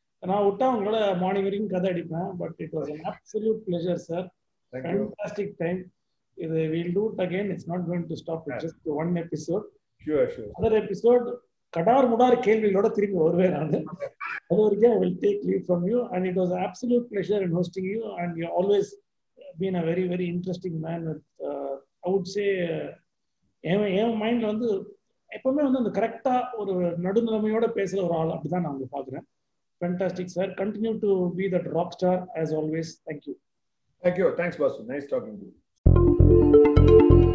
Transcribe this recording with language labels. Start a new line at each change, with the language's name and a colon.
Tamil: நான் விட்டா உங்களோட மார்னிங் வரைக்கும் கதை அடிப்பேன்,
English: but it was an absolute pleasure
Tamil: sir.
English: Fantastic time. இது we'll do it again. It's not going to stop. It's just one episode. Sure, sure. Other episode,
Tamil: Qatar முடார் கேள்விகளோட திரும்பி வருவே நான். அது வரைக்கும்
English: I will take leave from you. And it was an absolute pleasure in hosting you. And you've always been a very, very interesting man. With, I would say,
Tamil: என் மைண்ட்ல வந்து எப்பவுமே வந்து அந்த கரெக்டா ஒரு நடுநிலைமையோட பேசுகிற ஒரு ஆள் அப்படிதான் நான் வந்து பார்க்குறேன்.
English: Fantastic, sir. Continue to be that rock star as always. Thank you. Thank you. Thanks, Basu. Nice talking to you.